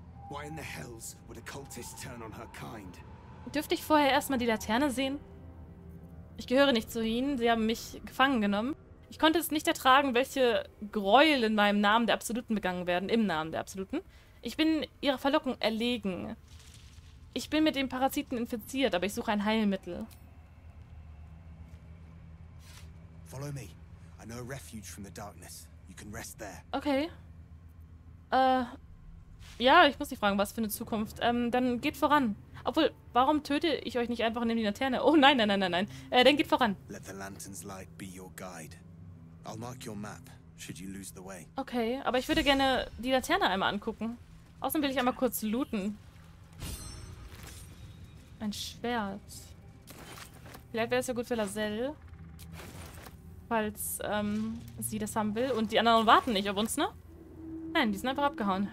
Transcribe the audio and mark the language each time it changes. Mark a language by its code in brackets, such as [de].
[en] Why in the hells would a cultist turn on her kind? [de] Dürfte ich vorher erstmal die Laterne sehen? Ich gehöre nicht zu ihnen. Sie haben mich gefangen genommen. Ich konnte es nicht ertragen, welche Gräuel in meinem Namen der Absoluten begangen werden. Im Namen der Absoluten. Ich bin ihrer Verlockung erlegen. Ich bin mit dem Parasiten infiziert, aber ich suche ein Heilmittel. [en] Follow me. I know a refuge from the darkness. You can rest there. Okay. [de] Ja, ich muss dich fragen, was für eine Zukunft. Dann geht voran. Obwohl, warum töte ich euch nicht einfach und nehme die Laterne? Oh nein, nein, nein, nein, nein. Dann geht voran. [en] Let the lantern's light be your guide. I'll mark your map, should you lose the way. [de] Okay, aber ich würde gerne die Laterne einmal angucken. Außerdem will ich einmal kurz looten. Ein Schwert. Vielleicht wäre es ja gut für Lazelle. Falls sie das haben will. Und die anderen warten nicht auf uns, ne? Nein, die sind einfach abgehauen.